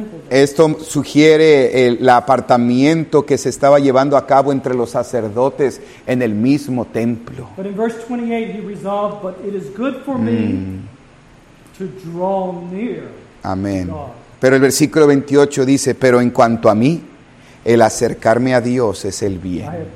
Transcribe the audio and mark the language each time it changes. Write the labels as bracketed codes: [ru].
[es] Esto sugiere el apartamiento que se estaba llevando a cabo entre los sacerdotes en el mismo templo. [en] But in verse 28, he resolved, but it is good for me to draw near. [es] Amén. Pero el versículo 28 dice, pero en cuanto a mí, el acercarme a Dios es el bien.